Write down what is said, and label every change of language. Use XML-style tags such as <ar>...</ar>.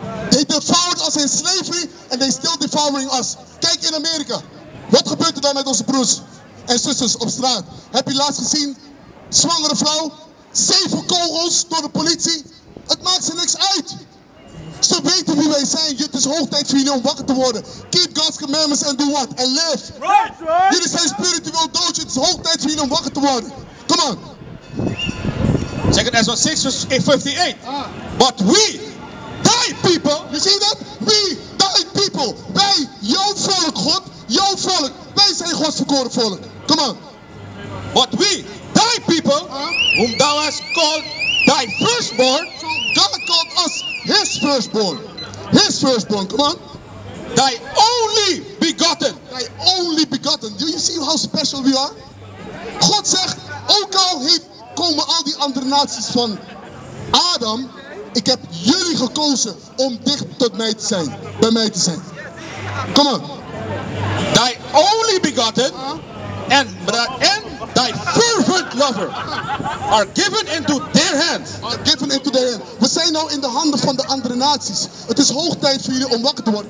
<en>They devoured us in slavery and they're still devouring us.</en> <nl>Kijk in Amerika. Wat gebeurt er dan met onze broers en zusters op straat? Heb je laatst gezien? Zwangere vrouw, 7 kogels door de politie. Het maakt ze niks uit. Ze weten wie wij zijn. Het is hoog tijd voor jullie om wakker te worden.</nl> <en>Keep God's commandments and do what? And live. Right, right.</en> <nl>Jullie zijn spiritueel dood. Het is hoog tijd voor jullie om wakker te worden.</nl> <en>Come on. 2 Ezra 6 vers 58. But we, thy people. You see that? We, thy people.</en> <nl>Wij, jouw volk, God. Jouw volk. Wij zijn Gods verkoren volk.</nl> <en>Come on. But we, thy people. Whom thou hast called thy firstborn. God called us. His firstborn, come on. Thy only begotten. Thy only begotten. Do you see how special we are?</en> <nl>God zegt, ook al komen al die andere naties van Adam, ik heb jullie gekozen om dicht tot mij te zijn, bij mij te zijn.</nl> <en>Come on. Thy only begotten and thy fervent lover are given into their hands. Are given into their hands.</en> <nl>We zijn nou in de handen van de andere naties. Het is hoog tijd voor jullie om wakker te worden.</nl>